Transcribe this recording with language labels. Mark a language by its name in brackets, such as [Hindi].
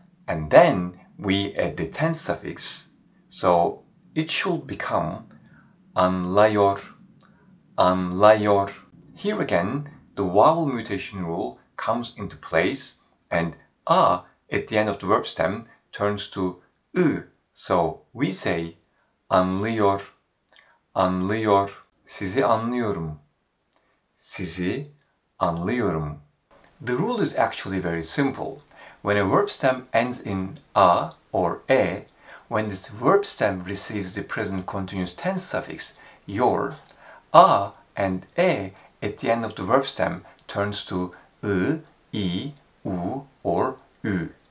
[English] And then, we add the tense suffix. So, it should become anlayor, anlayor. Here again, the vowel mutation rule comes into place and a at the end of the verb stem turns to ı. So we say [Turkish] anlıyor, anlıyor, sizi anlıyorum, sizi anlıyorum. [English] The rule is actually very simple. When a verb stem ends in a or e, when this verb stem receives the present continuous tense suffix yor, a and e at the end of the verb stem turns to ı, i, u, or ü.